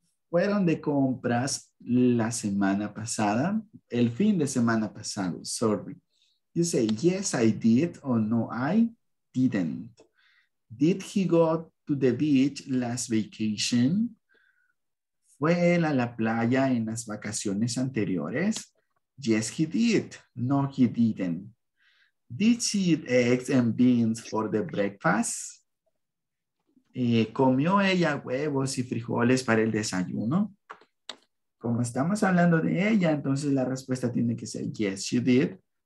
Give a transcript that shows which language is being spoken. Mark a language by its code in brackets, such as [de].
[es] Fueron de compras la semana pasada. El fin de semana pasado, [en] sorry. You say, yes, I did, or no, I didn't. Did he go to the beach last vacation? [es] ¿Fue él a la playa en las vacaciones anteriores? [en] Yes, he did. No, he didn't. Did she eat eggs and beans for the breakfast? [es] ¿Comió ella huevos y frijoles para el desayuno? Como estamos hablando de ella, entonces la respuesta tiene que ser, [en] yes, she did.